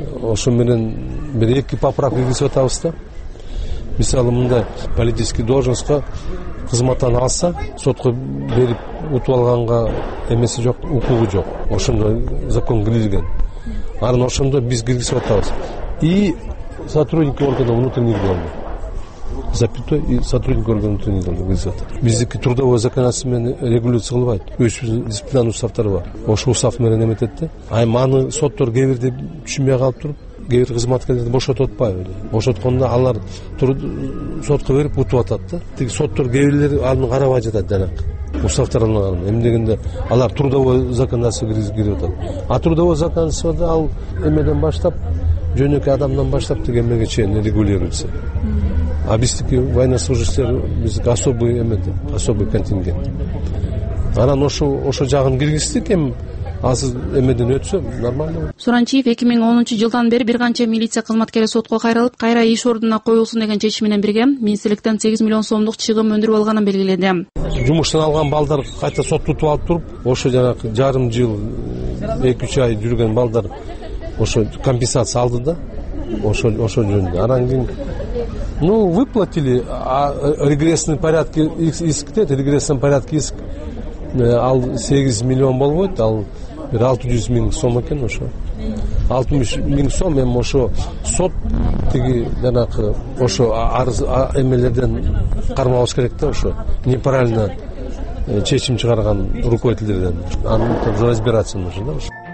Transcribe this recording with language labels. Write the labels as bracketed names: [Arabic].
[Kyrgyz] Ошо менен бир эки поправка киргизип атабыз да. Мисалы мындай политический должностко кызматтан алса сотко берип утуп алганга эмеси жок, укугу жок. Ошондо закон кирилген. Анан ошондо биз киргизип атабыз. [Russian] И сотрудники органов внутренних дел. Запятой и сотрудники органов внутренних дел [Kyrgyz] киргизип атат. Биздики [Russian] трудовое законодательство [Kyrgyz] менен [Russian] регулируется [Kyrgyz] кылбайт. Өзүбүздүн дисциплинарный уставтары бар. Ошол устав менен эметет да. Айм аны соттор кээбир деп түшүнбөй калып туруп. Кээ бир кызматкерлерди бошотуп атпайбы. Бошотконда алар сотко берип утуп атат да. Тиги соттор кээ бирлер аны карабай жатат жанагы. Уставтар алынган. Эми дегенде алар [Russian] трудовой законодательство [Kyrgyz] кирип атат. А трудовой законодательствода ал эмеден баштап, жөнөкөй адамдан баштап тиги эмеге чейин [Russian] регулируется. [Kyrgyz] А биздики военнослужащийлер биздики особый эме да, [Russian] особый контингент. [Kyrgyz] Анан ошо жагын киргиздик эми. Азыр эмеден өтсө нормально. Сурантиев 2010 жылдан бери бир канча милиция кызматкери сотко кайрылып, кайра иш ордуна коюлсун деген чечим менен бирге министрликтен 8 миллион сомдук чыгым өндүрүп алганын белгиледи. Жумуштан алган балдар кайта соттутуп алып туруп, ошо жанагы жарым жыл 2-3 ай жүргөн балдар ошо компенсация алды да. Ошо жөнүндө. Анан кийин [Russian] выплатили, а регрессный порядок иск [Kyrgyz] дейт, [Russian] регрессный порядок иск. [Kyrgyz] Ал 8 миллион болбойт, ал 600 миң сом экен ошо. 60 миң сом эми ошо сот тиги жанагы ошо арыз эмелерден кармабыз керек да ошо. Неправильно чечим чыгарган руководителдерден. Аны [Russian] разбираться нужно [Kyrgyz] да ошо.